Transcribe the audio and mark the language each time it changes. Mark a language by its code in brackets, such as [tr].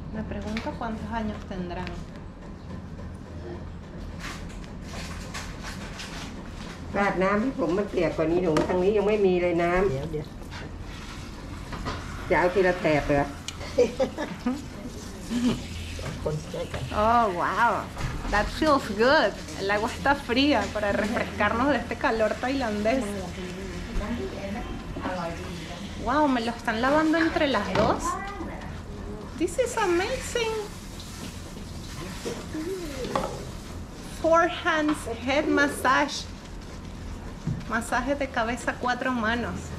[es] Rebeca, ¿cuántos años tendrán? [th] ราด น้ำให้ผมมันเปียกกว่านี้หนูทางนี้ยังไม่มีเลยน้ำจะเอาทีละแถบเหรอ คนใ กล้กัน [en] Oh wow that feels good [es] el agua está fría para refrescarnos de este calor tailandés [en] Wow [es] me lo están lavando entre las dos [en] This is amazing Four hands head massage [es] Masaje de cabeza cuatro manos.